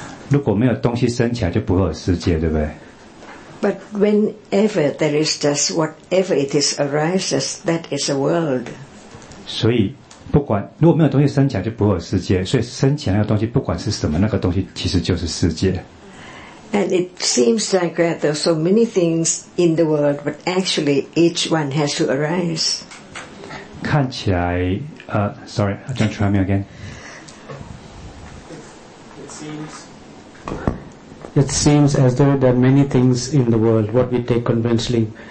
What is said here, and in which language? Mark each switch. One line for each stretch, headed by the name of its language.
Chinese: 如果没有东西生起来，就不会有世界，对不对
English: ？But whenever there is just whatever it is arises, that is a world.
Chinese: 所以，不管如果没有东西生起来，就不会有世界。所以生起来那个东西，不管是什么，那个东西其实就是世界。
English: And it seems like that there are so many things in the world, but actually each one has to arise.
Chinese: 看起来，
English: sorry, don't try me again. It seems as though there are many things in the world, what we take conventionally.